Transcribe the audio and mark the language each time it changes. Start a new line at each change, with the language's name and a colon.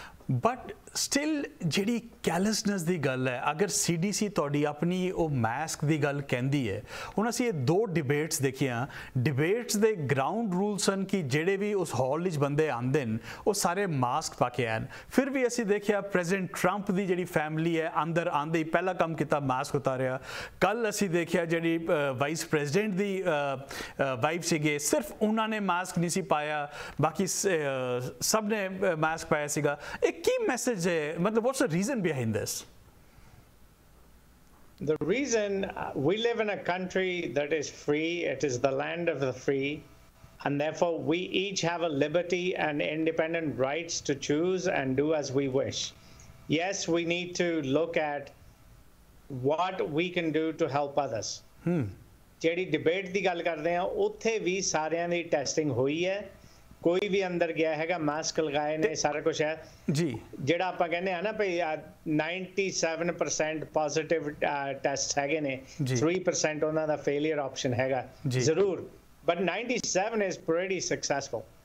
Punjabi: But still ਜਿਹੜੀ ਕੈਲਸਨੈਸ ਦੀ ਗੱਲ ਹੈ, ਅਗਰ CDC ਤੁਹਾਡੀ ਆਪਣੀ ਉਹ ਮਾਸਕ ਦੀ ਗੱਲ ਕਹਿੰਦੀ ਹੈ, ਹੁਣ ਅਸੀਂ ਇਹ ਦੋ ਡਿਬੇਟਸ ਦੇਖੀਆਂ, ਡਿਬੇਟਸ ਦੇ ਗਰਾਊਂਡ ਰੂਲਸ ਹਨ ਕਿ ਜਿਹੜੇ ਵੀ ਉਸ ਹਾਲ ਵਿੱਚ ਬੰਦੇ ਆਉਂਦੇ ਨੇ ਉਹ ਸਾਰੇ ਮਾਸਕ ਪਾ ਕੇ ਆਉਣ, ਫਿਰ ਵੀ ਅਸੀਂ ਦੇਖਿਆ ਪ੍ਰੈਜ਼ੀਡੈਂਟ ਟਰੰਪ ਦੀ ਜਿਹੜੀ ਫੈਮਿਲੀ ਹੈ ਅੰਦਰ ਆਉਂਦੇ ਹੀ ਪਹਿਲਾ ਕੰਮ ਕੀਤਾ ਮਾਸਕ ਉਤਾਰਿਆ। ਕੱਲ੍ਹ ਅਸੀਂ ਦੇਖਿਆ ਜਿਹੜੀ ਵਾਈਸ ਪ੍ਰੈਜ਼ੀਡੈਂਟ ਦੀ ਵਾਈਫ ਸੀਗੇ, ਸਿਰਫ ਉਹਨਾਂ ਨੇ ਮਾਸਕ ਨਹੀਂ ਸੀ ਪਾਇਆ, ਬਾਕੀ ਸਭ ਨੇ ਮਾਸਕ ਪਾਇਆ ਸੀਗਾ। ਇਹ ਕੀ ਮੈਸੇਜ ਹੈ, ਮਤਲਬ
English: What's a reason behind this? The reason, we live in a country that is free, it is the land of the free, and therefore we each have a liberty and independent rights to choose and do as we wish. Yes, we need to look at what we can do to help others.
Punjabi: ਜਿਹੜੀ debate ਦੀ ਗੱਲ ਕਰਦੇ ਹਾਂ, ਉੱਥੇ ਵੀ ਸਾਰਿਆਂ ਦੀ testing ਹੋਈ ਹੈ, ਕੋਈ ਵੀ ਅੰਦਰ ਗਿਆ ਹੈਗਾ, ਮਾਸਕ ਲਗਾਏ ਨੇ, ਸਾਰਾ ਕੁਛ ਹੈ ਜੀ। ਜਿਹੜਾ ਆਪਾਂ ਕਹਿੰਦੇ ਆ ਨਾ ਭਈ 97% ਪੋਜ਼ਿਟਿਵ ਟੈਸਟ ਹੈਗੇ ਨੇ, 3% ਉਹਨਾਂ ਦਾ ਫੇਲੀਅਰ ਆਪਸ਼ਨ ਹੈਗਾ ਜ਼ਰੂਰ,
English: But 97 is pretty successful.